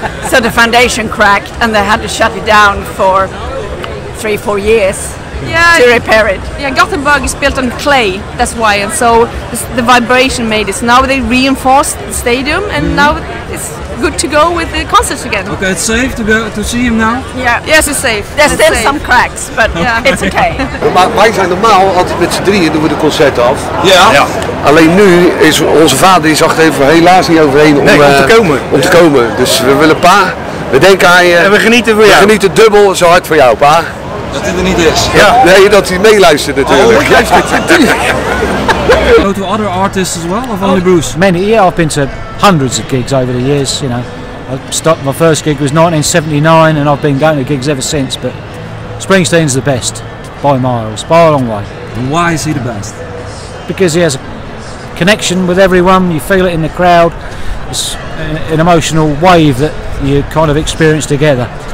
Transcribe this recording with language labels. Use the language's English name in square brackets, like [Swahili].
[English] So the foundation cracked and they had to shut it down for 3-4 years to repair it. Yeah, Gothenburg is built on clay, that's why. And so the vibration made it. So now they reinforced the stadium and now it's good to go with the concerts again. Okay, it's safe to go to see him now? Yeah. Yes, it's safe. There's it's still safe. Some cracks, but it's okay. [Dutch] Maar wij zijn normaal altijd met z'n drieën doen we de concert af. Ja. Alleen nu is onze vader die zag even helaas niet overheen om, om te komen. Om te komen. Dus we willen pa, we denken aan je. En we genieten van jou. We genieten dubbel zo hard voor jou, pa. Dat hij er niet is. Ja. Nee, dat hij meeluistert natuurlijk. Oh, ik luister natuurlijk. [English] Go to other artists as well, or only Bruce? Many, I've been to hundreds of gigs over the years, you know. My first gig was 1979 and I've been going to gigs ever since, but Springsteen's the best, by miles, by a long way. And why is he the best? Because he has a connection with everyone, you feel it in the crowd, it's an emotional wave that you kind of experience together.